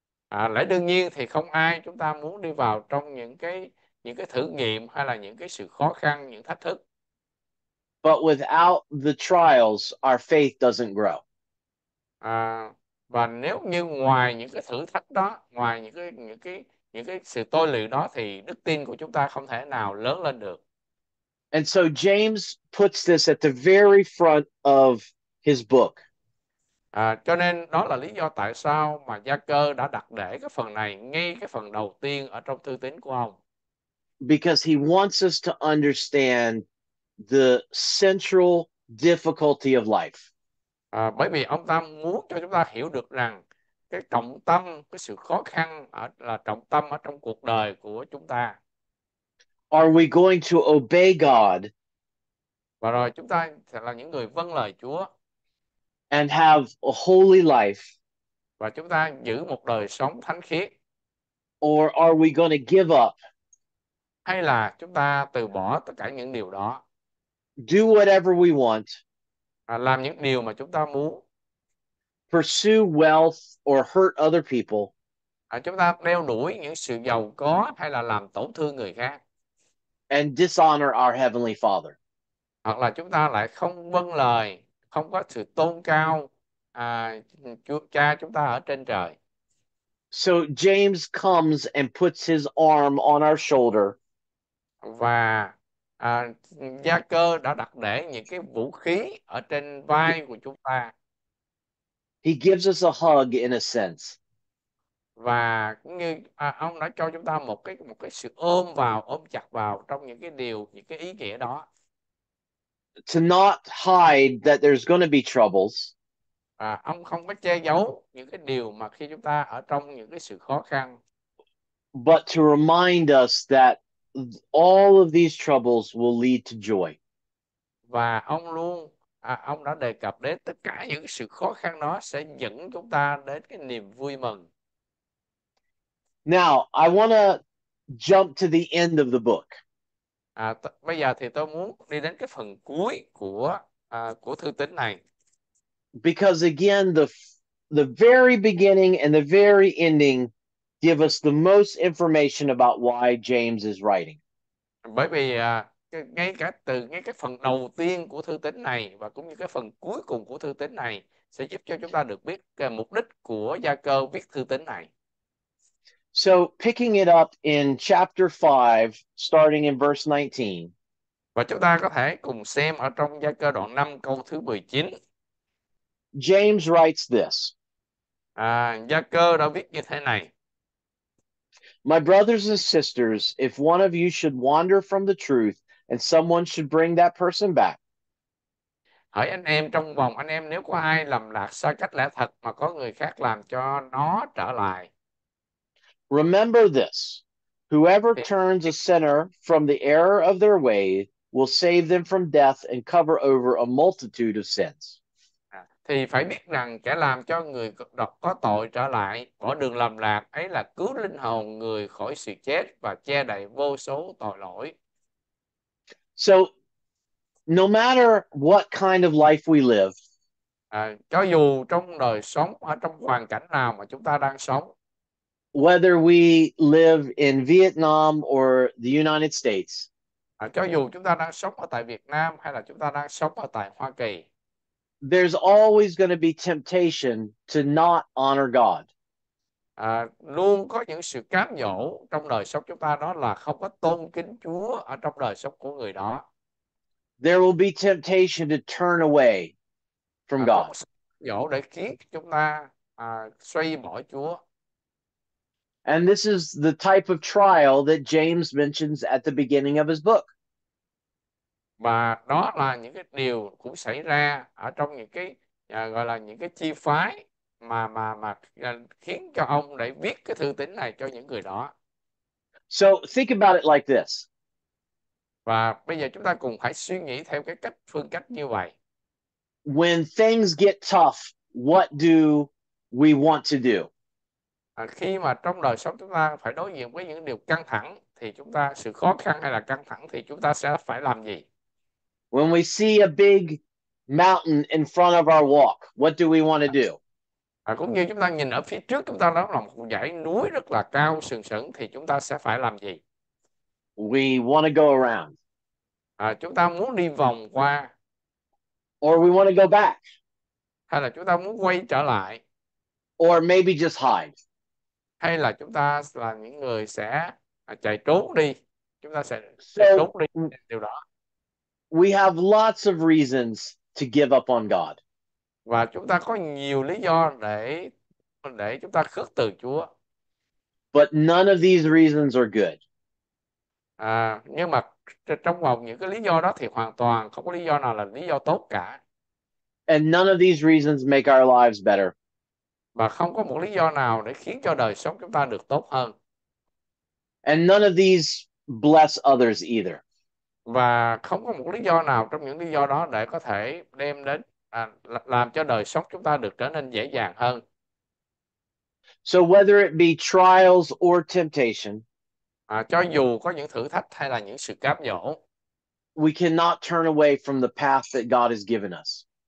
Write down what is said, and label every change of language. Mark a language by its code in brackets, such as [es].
[vi] Lẽ đương nhiên thì không ai chúng ta muốn đi vào trong những cái thử nghiệm hay là những cái sự khó khăn, những thách thức. [en] But without the trials, our faith doesn't grow. [vi] Và nếu như ngoài những cái thử thách đó, ngoài những cái sự tôi luyện đó thì đức tin của chúng ta không thể nào lớn lên được. [en] And so James puts this at the very front of his book. [vi] Cho nên đó là lý do tại sao mà Gia Cơ đã đặt để cái phần này ngay cái phần đầu tiên ở trong Thư Tín của ông. [en] Because he wants us to understand the central difficulty of life. [vi] Bởi vì ông ta muốn cho chúng ta hiểu được rằng cái trọng tâm, cái sự khó khăn ở là trọng tâm ở trong cuộc đời của chúng ta. [en] Are we going to obey God [vi] Và rồi chúng ta sẽ là những người vâng lời Chúa. [en] and have a holy life? [vi] Và chúng ta giữ một đời sống thánh khiết. [en] Or are we going to give up? [vi] Hay là chúng ta từ bỏ tất cả những điều đó. [en] Do whatever we want. [vi] À, làm những điều mà chúng ta muốn. [en] Pursue wealth or hurt other people. [vi] À, chúng ta đeo đuổi những sự giàu có hay là làm tổn thương người khác. [en] And dishonor our Heavenly Father. [vi] Hoặc là chúng ta lại không vâng lời, không có sự tôn cao Chúa Cha chúng ta ở trên trời. [en] So James comes and puts his arm on our shoulder. [vi] Và Gia Cơ đã đặt để những cái vũ khí ở trên vai của chúng ta. [en] He gives us a hug in a sense. [vi] Và cũng như ông đã cho chúng ta một cái sự ôm vào, ôm chặt vào trong những cái ý nghĩa đó. [en] To not hide that there's going to be troubles. [vi] À, ông không có che giấu những cái điều mà khi chúng ta ở trong những cái sự khó khăn. [en] But to remind us that all of these troubles will lead to joy. [vi] Và ông đã đề cập đến tất cả những sự khó khăn đó sẽ dẫn chúng ta đến cái niềm vui mừng. [en] Now, I want to jump to the end of the book. [vi] Bây giờ thì tôi muốn đi đến cái phần cuối của thư tín này. [en] Because again, the very beginning and the very ending give us the most information about why James is writing. [vi] Bởi vì ngay cả phần đầu tiên của thư tín này và cũng như cái phần cuối cùng của thư tín này sẽ giúp cho chúng ta được biết mục đích của Gia Cơ viết thư tín này. [en] So picking it up in chapter 5, starting in verse 19. [vi] Và chúng ta có thể cùng xem ở trong Gia Cơ đoạn 5 câu thứ 19. [en] James writes this. [vi] Gia Cơ đã viết như thế này. [en] My brothers and sisters, if one of you should wander from the truth and someone should bring that person back. [vi] Hỏi anh em trong vòng anh em nếu có ai lầm lạc xa cách lẽ thật mà có người khác làm cho nó trở lại. [en] Remember this. Whoever turns a sinner from the error of their way will save them from death and cover over a multitude of sins. [vi] Thì phải biết rằng kẻ làm cho người có tội trở lại, bỏ đường lầm lạc ấy là cứu linh hồn người khỏi sự chết và che đậy vô số tội lỗi. [en] So, no matter what kind of life we live, [vi] Cho dù trong đời sống ở trong hoàn cảnh nào mà chúng ta đang sống, [en] whether we live in Vietnam or the United States, [vi] cho dù chúng ta đang sống ở tại Việt Nam hay là chúng ta đang sống ở tại Hoa Kỳ, [en] there's always going to be temptation to not honor God. [vi] luôn có những sự cám dỗ trong đời sống chúng ta đó là không có tôn kính Chúa ở trong đời sống của người đó. [en] There will be temptation to turn away from [vi] Có một [en] God. [vi] sự dỗ để khiến chúng ta xoay bỏ Chúa. [en] And this is the type of trial that James mentions at the beginning of his book. [vi] Và đó là những cái điều cũng xảy ra ở trong những cái gọi là những cái chi phái mà khiến cho ông để viết cái thư tín này cho những người đó. [en] So think about it like this. [vi] Và bây giờ chúng ta cùng phải suy nghĩ theo cái cách phương cách như vậy. [en] When things get tough, what do we want to do? [vi] Khi mà trong đời sống chúng ta phải đối diện với những điều căng thẳng thì chúng ta sự khó khăn hay là căng thẳng thì chúng ta sẽ phải làm gì? [en] When we see a big mountain in front of our walk, what do we want to do? [vi] Cũng như chúng ta nhìn ở phía trước chúng ta đó là một dãy núi rất là cao sừng sững thì chúng ta sẽ phải làm gì? [en] We want to go around. [vi] Chúng ta muốn đi vòng qua [en] Or we want to go back. [vi] hay là chúng ta muốn quay trở lại? [en] Or maybe just hide. [vi] Hay là chúng ta là những người sẽ chạy trốn đi, chúng ta sẽ trốn [en] So [vi] đi điều đó. [en] We have lots of reasons to give up on God. [vi] Và chúng ta có nhiều lý do để chúng ta khước từ Chúa. [en] But none of these reasons are good. [vi] À, nhưng mà trong vòng những cái lý do đó thì hoàn toàn không có lý do nào là lý do tốt cả. [en] And none of these reasons make our lives better. [vi] Và không có một lý do nào để khiến cho đời sống chúng ta được tốt hơn. [en] And none of these bless others either. [vi] Và không có một lý do nào trong những lý do đó để có thể đem đến làm cho đời sống chúng ta được trở nên dễ dàng hơn. [en] So whether it be trials or temptation, [vi] À, cho dù có những thử thách hay là những sự cám dỗ, [en] we cannot turn away from the path that God has given us.